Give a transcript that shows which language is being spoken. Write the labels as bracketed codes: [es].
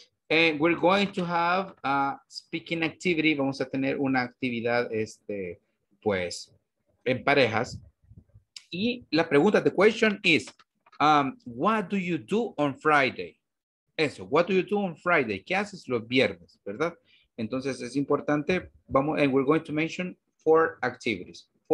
[en] And we're going to have a speaking activity. [es] Vamos a tener una actividad pues en parejas. Y la pregunta, [en] the question is, what do you do on Friday? [es] Eso, [en] what do you do on Friday? [es] ¿Qué haces los viernes, verdad? Entonces, es importante, vamos, [en] and we're going to mention four activities.